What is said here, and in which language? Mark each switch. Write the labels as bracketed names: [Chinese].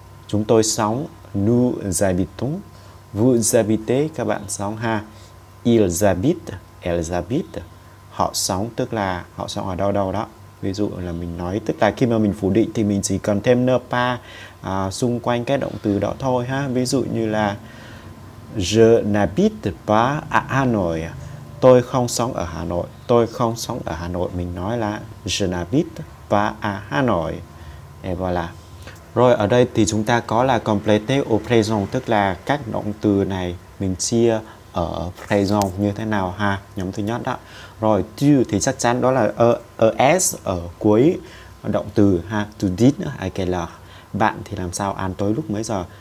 [Vietnamese] Chúng tôi sống, [French] nous habitons, vous habitez, [Vietnamese] các bạn sống ha. [French] Ils habitent, elles habitent, [Vietnamese] họ sống, tức là họ sống ở đâu đâu đó. Ví dụ là mình nói, tức là khi mà mình phủ định thì mình chỉ cần thêm [French] ne pas [Vietnamese] xung quanh cái động từ đó thôi ha. Ví dụ như là, [French] je n'habite pas à Hanoi. [Vietnamese] Tôi không sống ở Hà Nội. Tôi không sống ở Hà Nội. Mình nói là [French] je n'habite pas à Hà Nội. Et voilà. [Vietnamese] Rồi ở đây thì chúng ta có là [French] complété au présent, [Vietnamese] tức là các động từ này mình chia ở présent như thế nào ha. Nhóm thứ nhất đó. Rồi tu thì chắc chắn đó là es ở cuối động từ ha. [French] Tu dis à quelle heure. [Vietnamese] Bạn thì làm sao, ăn tối lúc mấy giờ.